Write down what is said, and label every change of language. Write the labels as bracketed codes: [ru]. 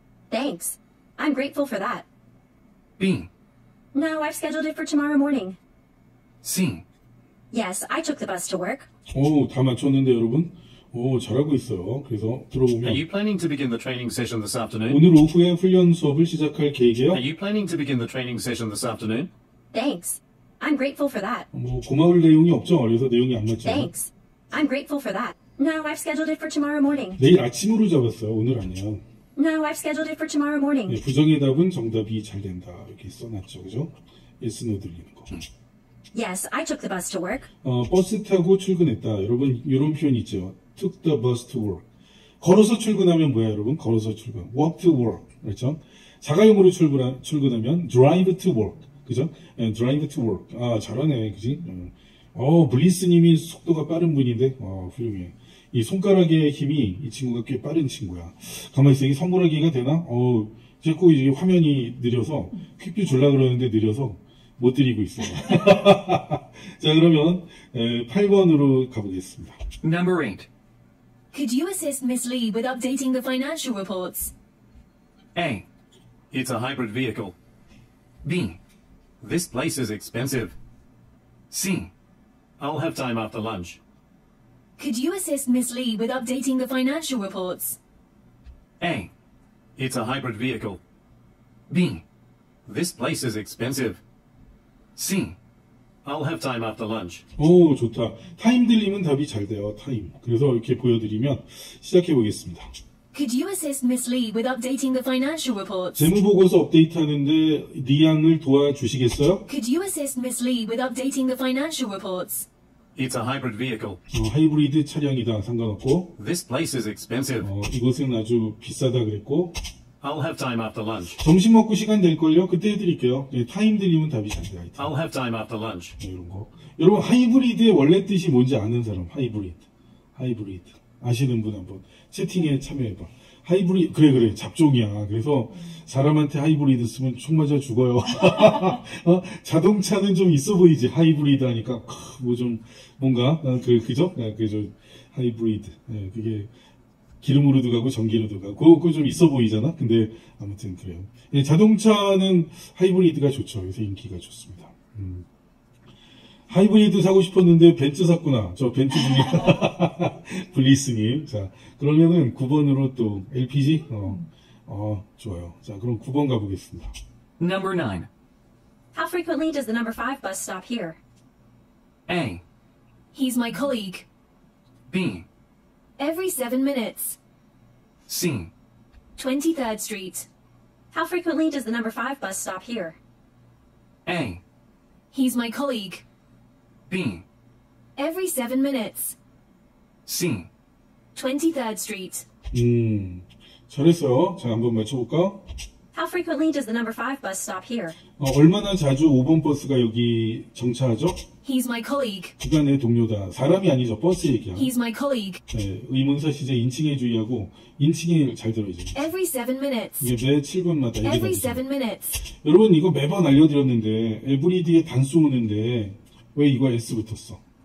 [en] Thanks. I'm grateful for that. B. No, I've scheduled it for tomorrow morning. C. Yes, I took the bus to work. [ko] 오, 다 맞췄는데 여러분. 오, 잘하고 있어요. 그래서 들어보면. [en] Are you planning to begin the training session this afternoon? [ko] 오늘 오후에 훈련 수업을 시작할 계획이에요? [en] Are you planning to begin the training session this afternoon? Thanks. I'm grateful for that. [ko] 뭐 고마울 내용이 없죠. 그래서 내용이 안 맞죠. [en] Thanks. I'm grateful for that. No, I've scheduled it for tomorrow morning. [ko] 내일 아침으로 잡았어요. 오늘 아니에요. [en] No, I've scheduled it for tomorrow morning. [ko] 네, 부정의 답은 정답이 잘 된다. 이렇게 써놨죠, 그죠? Yes, no 들리는 거. [en] Yes, I took the bus to work. [ko] 버스 타고 출근했다. 여러분, 이런 표현 있죠? [en] Took the bus to work. [ko] 걸어서 출근하면 뭐야, 여러분? 걸어서 출근. [en] Walk to work. [ko] 그렇죠? 자가용으로 출근하면 [en] drive to work. [ko] 그죠? [en] And drive to work. [ko] 아, 잘하네, 그지? 블리스님이 속도가 빠른 분인데, 훌륭해. 이 손가락의 힘이 이 친구가 꽤 빠른 친구야. 가만히 있어. 이게 선물하기가 되나? 자꾸 이제 화면이 느려서, 퀵뷰 줄라 그러는데 느려서 못 드리고 있어요. 자, 그러면 8번으로 가보겠습니다. [en] Number 8. Could you assist Miss Lee with updating the financial reports? A. It's a hybrid vehicle. B. This place is expensive. C. I'll have time after lunch. Could you assist Miss Lee with updating the financial reports? A. It's a hybrid vehicle. B. This place is expensive. C. I'll have time after lunch. [ko] 오, 좋다. 타임 들리면 답이 잘 돼요. 타임. 그래서 이렇게 보여드리면 시작해 보겠습니다. [en] Could you assist Miss Lee with updating the financial reports? [ko] 재무 보고서 업데이트하는데 리 양을 도와주시겠어요? [en] Could you assist Miss Lee with updating the financial reports? It's a hybrid vehicle. [ko] 하이브리드 차량이다. 상관없고. [en] This place is expensive. [ko] 이곳은 아주 비싸다 그랬고. [en] I'll have time after lunch. [ko] 점심 먹고 시간 될걸요? 그때 해드릴게요. 네, 타임 들리면 답이 잘 돼요. [en] I'll have time after lunch. [ko] 네, 이런 거. 여러분, 하이브리드의 원래 뜻이 뭔지 아는 사람? 하이브리드. 하이브리드. 아시는 분 한번 채팅에 참여해봐. 하이브리드. 그래, 그래. 잡종이야. 그래서 사람한테 하이브리드 쓰면 총 맞아 죽어요. 자동차는 좀 있어 보이지. 하이브리드 하니까. 뭐 좀, 뭔가. 그죠? 그죠. 하이브리드. 네, 그게 기름으로도 가고 전기로도 가고. 그거 좀 있어 보이잖아. 근데 아무튼 그래요. 네, 자동차는 하이브리드가 좋죠. 그래서 인기가 좋습니다. 하이브리드 사고 싶었는데 벤츠 샀구나. 저 벤츠 중에. 블리스님. 자, 그러면은 9번으로 또 LPG? 좋아요. 자, 그럼 9번 가보겠습니다. [en] Number 9. How frequently does the number 5 bus stop here? A. He's my colleague. B. Every 7 minutes. C. 23rd Street. How frequently does the number 5 bus stop here? A. He's my colleague. B. Every 7 minutes. C. 23rd Street. [ko] 잘했어요. 자, 한번 맞춰볼까? [en] How frequently does the number 5 bus stop here? [ko] 얼마나 자주 5번 버스가 여기 정차하죠? [en] He's my colleague. [ko] 그가 내 동료다. 사람이 아니죠. 버스 얘기야. [en] He's my colleague. [ko] 네, 의문사 시제 인칭에 주의하고 인칭에 잘 들어야죠. [en] Every 7 minutes. [ko] 이게 매 7분마다. [en] Every 7 minutes. [ko] 여러분, 이거 매번 알려드렸는데 every 뒤에 단수 오는데 왜 이거 S 붙었어?